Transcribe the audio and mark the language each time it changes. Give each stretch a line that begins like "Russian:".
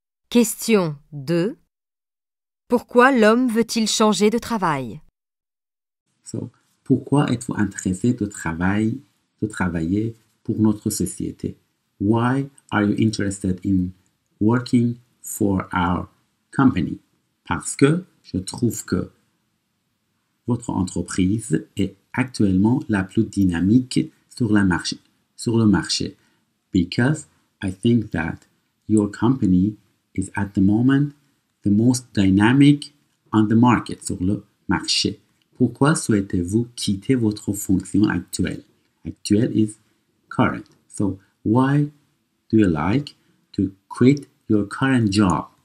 French: Question 2. Pourquoi l'homme veut-il changer de travail? Pourquoi êtes-vous intéressé de travailler pour notre société?
English: Why are you interested in working for our company?
French: Parce que je trouve que votre entreprise est actuellement la plus dynamique sur le marché.
English: Because I think that your company is at the moment the most dynamic on the market,
French: sur le marché. Pourquoi souhaitez-vous quitter votre fonction actuelle?
English: Actuelle is current. So why do you like to quit your current job?